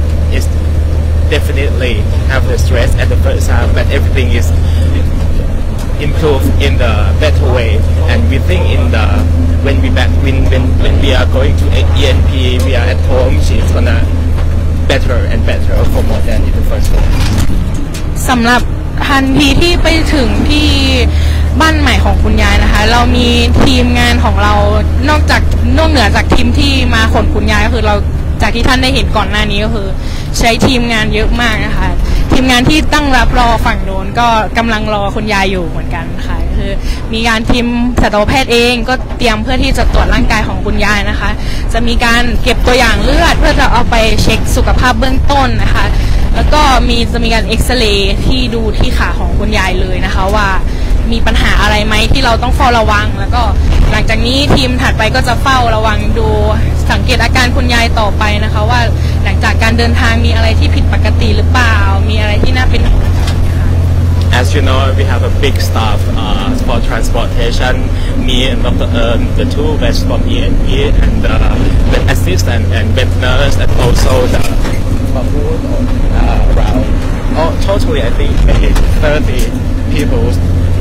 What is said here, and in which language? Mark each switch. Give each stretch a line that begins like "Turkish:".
English: is definitely have the stress at the first time but everything is improved in the better way and we think in theWhen we are going to ENP, we are at home, she's gonna better and better for more than in the first place.
Thai: สำหรับทันทีที่ไปถึงที่บ้านใหม่ของคุณยายนะคะเรามีทีมงานของเรานอกจากนอกเหนือจากทีมที่มาขนคุณยายก็คือเราจากที่ท่านได้เห็นก่อนหน้านี้ก็คือใช้ทีมงานเยอะมากนะคะทีมงานที่ตั้งรับรอฝั่งโน้นก็กำลังรอคุณยายอยู่เหมือนกันค่ะ มีการทีมสัตวแพทย์เองก็เตรียมเพื่อที่จะตรวจร่างกายของคุณยายนะคะจะมีการเก็บตัวอย่างเลือดเพื่อจะเอาไปเช็คสุขภาพเบื้องต้นนะคะแล้วก็จะมีการเอ็กซเรย์ที่ดูที่ขาของคุณยายเลยนะคะว่ามีปัญหาอะไรไหมที่เราต้องเฝ้าระวังแล้วก็หลังจากนี้ทีมถัดไปก็จะเฝ้าระวังดูสังเกตอาการคุณยายต่อไปนะคะว่าหลังจากการเดินทางมีอะไรที่ผิดปกติหรือเปล่ามีอะไรที่น่าเป็น
English: As you know, we have a big staff for transportation. Me and Dr. Ern, the two vets from ENP, and the vet assistant and vet nurse, and also the food around. Oh, totally, I think maybe 30 people.